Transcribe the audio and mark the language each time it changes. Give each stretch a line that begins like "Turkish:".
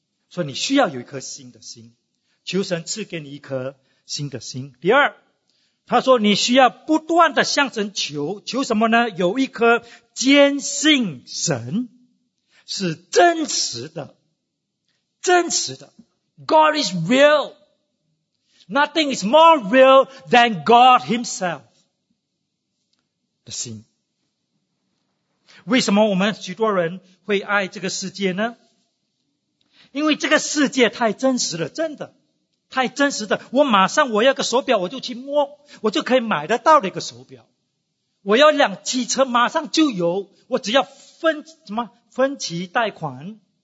Chinese: 所以你需要有一颗新的心，求神赐给你一颗新的心。第二，他说你需要不断的向神求，求什么呢？有一颗坚信神是真实的，真实的。
English: God is real. Nothing is more real than God himself.
Chinese: 的心。为什么我们许多人会爱这个世界呢？因为这个世界太真实了，真的。太真实的。我马上我要个手表我就去摸，我就可以买得到的一个手表。我要辆汽车马上就有，我只要分期贷款。